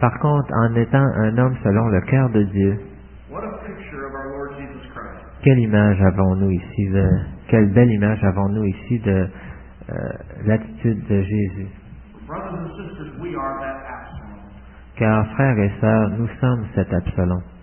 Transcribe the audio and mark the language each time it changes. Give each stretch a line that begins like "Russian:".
French: par contre, en étant un homme selon le cœur de Dieu,
English: what a picture of our Lord Jesus Christ.
French: Quelle image avons-nous ici de, quelle belle image avons-nous ici de l'attitude de Jésus?
English: Brothers and sisters, we are that Absalom.
French: Car frères et sœurs, nous sommes cet Absalom.